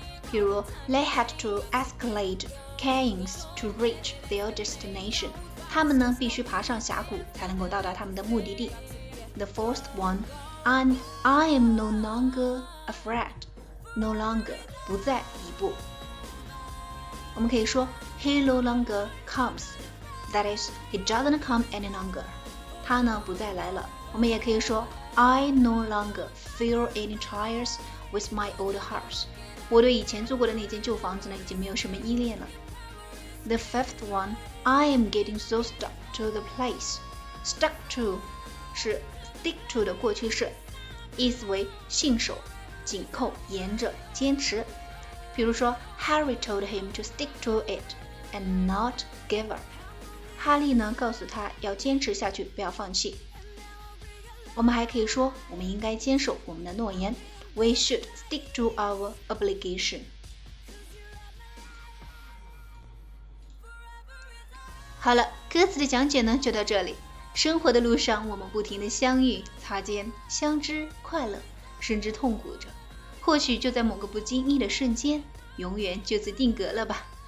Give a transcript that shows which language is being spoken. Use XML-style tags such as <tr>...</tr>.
<en>比如 they had to escalate canes to reach their destination.</en> <zh>他们呢必须爬上峡谷才能够到达他们的目的地。</zh> <en>The fourth one, I am no longer afraid. No longer.</en> <zh>不再一步。我们可以说</zh> <en>He no longer comes. That is, he doesn't come any longer.</en> <zh>他呢不再来了。我们也可以说</zh> <en>I no longer feel any ties with my old house.</en> <zh>我对以前住过的那间旧房子呢已经没有什么依恋了。</zh> <en>The fifth one, I am getting so stuck to the place.</en> <zh>Stuck to 是 stick to 的过去式，意思为信守、紧扣、沿着、坚持。比如说</zh> <en>Harry told him to stick to it and not give up.</en> <zh>哈利呢告诉他要坚持下去，不要放弃。我们还可以说我们应该坚守我们的诺言，</zh> <en>We should stick to our obligation.</en> <zh>好了，歌词的讲解呢就到这里。生活的路上我们不停的相遇、擦肩、相知、快乐甚至痛苦着，或许就在某个不经意的瞬间，永远就此定格了吧。</zh>